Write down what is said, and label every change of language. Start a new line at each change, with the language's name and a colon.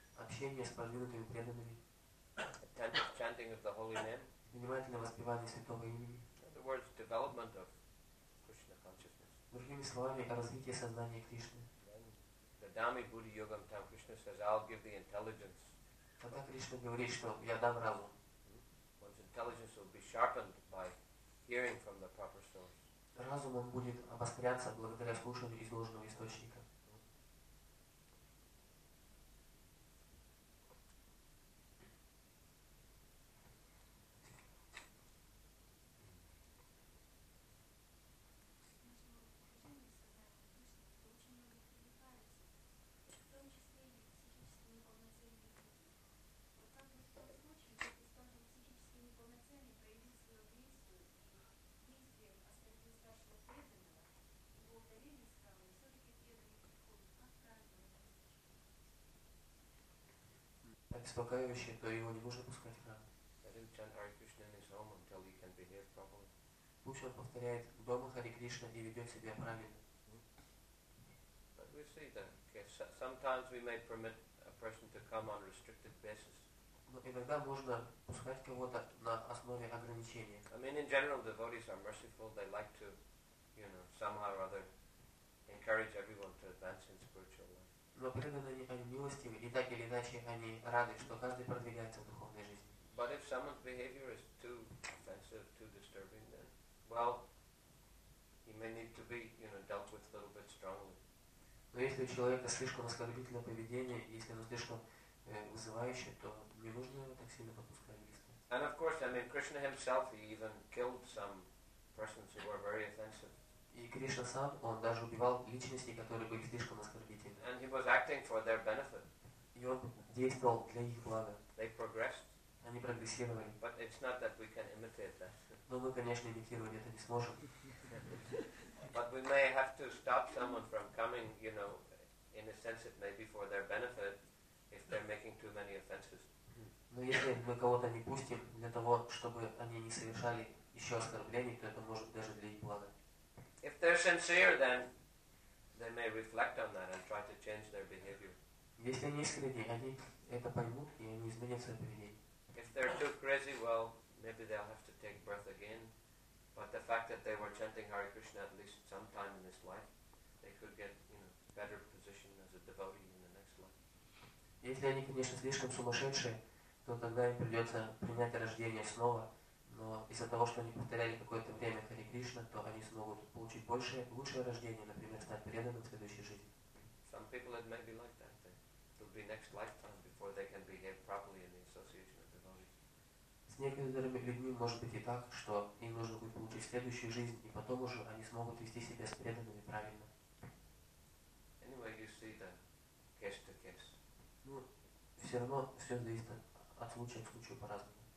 Russian: Общение с продвинутыми преданными.
English: Attentive chanting of the holy name.
Russian: Внимательное воспевание святого имени.
English: In other words, development of Krishna consciousness.
Russian: Другими словами, развитие сознания Кришны.
English: Then the
Sanskrit: Dhammi Buddhi Yogam Tam
English: Krishna says, I'll give the intelligence.
Russian: Тогда Кришна говорит, что я дам разум.
English: Intelligence will be sharpened by hearing from the proper source.
Russian: Разум он будет обостряться благодаря слушанию из должного источника. успокаивающее, то его не нужно пускать в храм.
English: Let him chant Hare Krishna in his home until he can behave properly.
Russian: Пусть он повторяет дома Хари Кришна и ведет себя правильно.
English: But we see that okay, sometimes we may permit a person to come on a restricted basis.
Russian: Но иногда можно пускать кого-то на основе ограничения.
English: I mean, in general, devotees are merciful. They like to, you know, somehow or other, encourage everyone to advance in spiritual life.
Russian: Но преданные они милостивы, и так или иначе они рады, что каждый продвигается в духовной жизни.
English: But if someone's behavior is too offensive, too disturbing, then, well, he may need to be, you know, dealt with a little bit strongly.
Russian: Но если у человека слишком оскорбительное поведение, если оно слишком вызывающее, то не нужно его так сильно подпускать.
English: And of course, I mean, Krishna himself, he even killed some persons who were very offensive.
Russian: И Кришна сам, он даже убивал личности, которые были слишком оскорбительны.
English: And he was acting for their benefit.
Russian: И он действовал для их блага.
English: They progressed.
Russian: Они прогрессировали.
English: But it's not that we can imitate that.
Russian: Но мы, конечно, имитировать это не сможем.
English: But we may have to stop someone from coming, you know, in a sense it may be for their benefit, if they're making too many offenses.
Russian: Но если мы кого-то не пустим для того, чтобы они не совершали еще оскорблений, то это может даже для их блага.
English: If they're sincere, then they may reflect on that and try to change their behavior.
Russian: Если они искренне, они это поймут и они изменят свое поведение.
English: If they're too crazy, well, maybe they'll have to take breath again. But the fact that they were chanting Hare Krishna at least some time in this life, they could get, you know, better position as a devotee in the next life.
Russian: Если они, конечно, слишком сумасшедшие, то тогда им придется принять рождение снова. Но из-за того, что они повторяли какое-то время Хари Кришна, то они смогут получить большее, лучшее рождение, например, стать преданным в следующей жизни.
English: Some people it may be like that. It'll be next lifetime before they can behave properly in the association of devotees.
Russian: С некоторыми людьми может быть и так, что им нужно будет получить следующую жизнь, и потом уже они смогут вести себя с преданными правильно.
English: Anyway, you see that case to case.
Russian: Ну, все равно все зависит от случая к случаю по-разному.